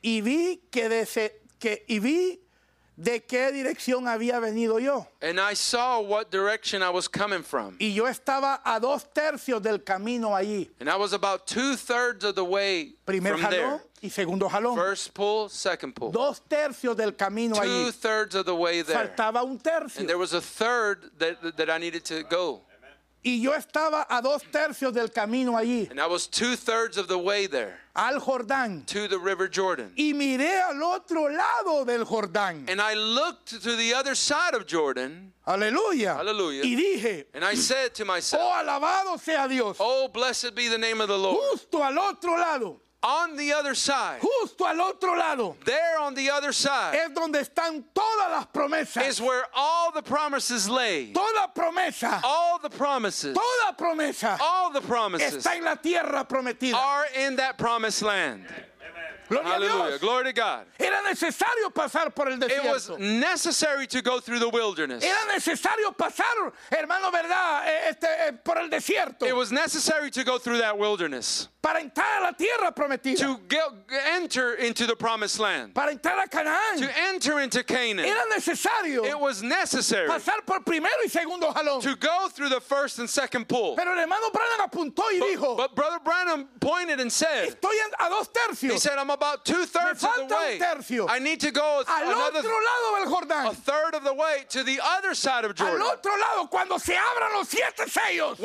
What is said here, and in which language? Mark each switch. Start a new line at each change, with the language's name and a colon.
Spanish: Y vi de qué dirección había venido yo.
English: And I saw what direction I was coming from.
Spanish: Y yo estaba a dos tercios del camino allí.
English: And I was about two-thirds of the way
Spanish: primer
English: from there.
Spanish: Y segundo jalón.
English: First pull, second pull.
Spanish: Dos tercios del camino
English: allí. Two-thirds of the way there.
Spanish: Faltaba un tercio.
English: And there was a third that I needed to go.
Spanish: Y yo estaba a dos tercios del camino allí.
English: And I was two-thirds of the way there.
Spanish: Al Jordán.
English: To the river Jordan.
Spanish: Y miré al otro lado del Jordán.
English: And I looked to the other side of Jordan.
Spanish: Aleluya. Aleluya. Y dije.
English: And I said to myself.
Spanish: Oh, alabado sea Dios.
English: Oh, blessed be the name of the Lord.
Spanish: Justo al otro lado.
English: On the other side.
Spanish: Justo al otro lado.
English: There on the other side.
Spanish: Es donde están todas las promesas.
English: Is where all the promises lay.
Spanish: Toda promesa.
English: All the promises.
Spanish: Toda promesa.
English: All the promises.
Spanish: Está en la tierra prometida.
English: Are in that promised land. Hallelujah. Glory to God.
Spanish: Era necesario pasar por el desierto.
English: It was necessary to go through the wilderness.
Spanish: Era necesario pasar, hermano, verdad, por el desierto.
English: It was necessary to go through that wilderness.
Spanish: Para entrar a la tierra prometida.
English: To enter into the promised land.
Spanish: Para entrar a Canaán.
English: To enter into Canaan.
Spanish: Era necesario.
English: It was necessary.
Spanish: Pasar por primero y segundo jalón.
English: To go through the first and second pull.
Spanish: Pero el hermano Branham apuntó y dijo.
English: But Brother Branham pointed and said.
Spanish: Estoy a dos tercios.
English: He said, I'm about two-thirds of the way. I need to go a third of the way to the other side of Jordan.
Spanish: Al otro lado, cuando se abran los siete sellos.